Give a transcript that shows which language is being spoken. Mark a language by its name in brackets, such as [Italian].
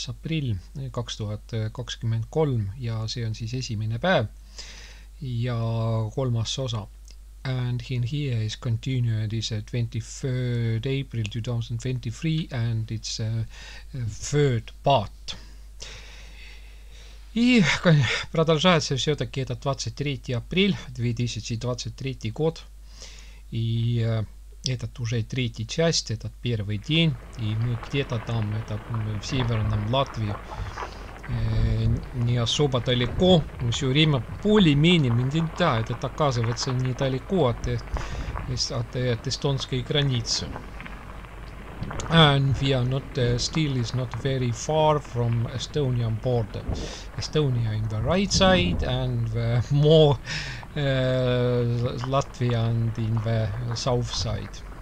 [Estonian] aprill 2023 ja see on siis esimene päev ja kolmas osa. [English] And in here is continued is 23rd April 2023 and it's third part. [Russian] И, продолжается все-таки этот 23 апрель 2023 год. И этот уже третья часть, этот первый день. И мы где-то там, это в северном Латвии, не особо далеко. Мы все время более-менее, да, это оказывается недалеко от эстонской границы. [English] And we are not still is not very far from Estonian border. Estonia in the right side and the more Latvia and in the south side.